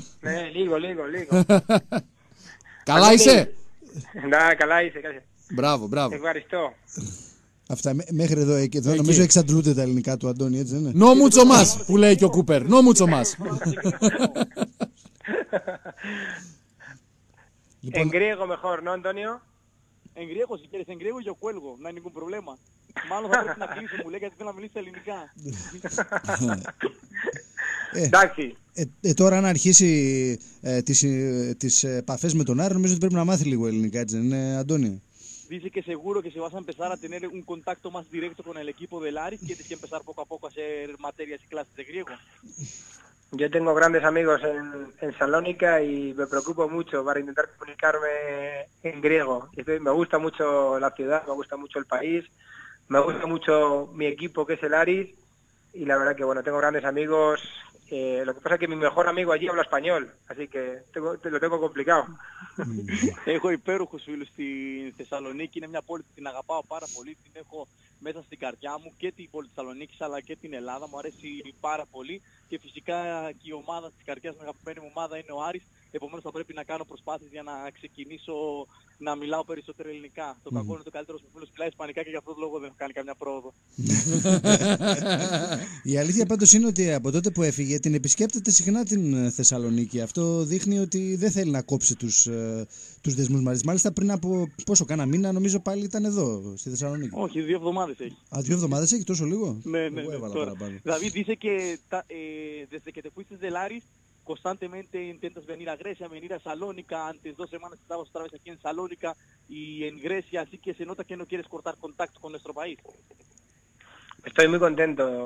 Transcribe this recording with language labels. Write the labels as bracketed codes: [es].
[el] Ναι, λίγο. Καλά είσαι. Να, καλά είσαι. Μπράβο. Ευχαριστώ. Αυτά μέχρι εδώ και εδώ. Νομίζω εξαντλούνται τα ελληνικά του Αντώνη, έτσι δεν είναι. [es] No mucho más, [el] που λέει και ο Κούπερ. [es] No mucho más. En griego mejor, ¿no, Antonio? En griego, si quieres, en griego yo cuelgo, no hay ningún problema. [el] Μάλλον θα πρέπει να κλείσω, μου λέει, γιατί θέλω να μιλήσω ελληνικά. Εντάξει. Τώρα, αν αρχίσει τις επαφές με τον Άρη, νομίζω ότι πρέπει να μάθει λίγο ελληνικά, έτσι δεν είναι, Αντώνη. [es] Dice que seguro que se vas a empezar a tener un contacto más directo con el equipo del Ari, tienes que empezar poco a poco a hacer materias y clases de griego. Yo tengo grandes amigos en Salónica y me preocupo mucho para intentar comunicarme en griego. Me gusta mucho la ciudad, me gusta mucho el país, me gusta mucho mi equipo que es el Ari y la verdad que bueno, tengo grandes amigos. Lo que pasa es que mi mejor amigo allí habla español, así que lo tengo complicado. [el] Έχω υπέροχους φίλους στην Θεσσαλονίκη, είναι μια πόλη που την αγαπάω πάρα πολύ, την έχω μέσα στην καρδιά μου και την πόλη Θεσσαλονίκης αλλά και την Ελλάδα, μου αρέσει πάρα πολύ και φυσικά και η ομάδα της καρδιάς μου, η αγαπημένη μου ομάδα είναι ο Άρης, επομένως θα πρέπει να κάνω προσπάθειες για να ξεκινήσω να μιλάω περισσότερο ελληνικά. Το κακό είναι το καλύτερο μου φίλος μιλάει ισπανικά και για αυτόν τον λόγο δεν έχω κάνει καμιά πρόοδο. Η αλήθεια πάντως είναι ότι από τότε που έφυγε την επισκέπτεται συχνά την Θεσσαλονίκη. Αυτό δείχνει ότι δεν θέλει να κόψει τους δεσμούς μαζί. Μάλιστα πριν από πόσο κάνα μήνα νομίζω πάλι ήταν εδώ στη Θεσσαλονίκη. Όχι, δύο εβδομάδες έχει. Α, δύο εβδομάδες έχει, τόσο λίγο. Ναι, έβαλα τώρα πάνω. Δηλαδή, είσαι και [es] desde que te fuiste del Aris, constantemente intentas venir a Grecia, venir a Salónica. Antes dos semanas estabas otra vez aquí en Salónica y en Grecia, así que se nota que no quieres cortar contacto con nuestro país. Estoy muy contento.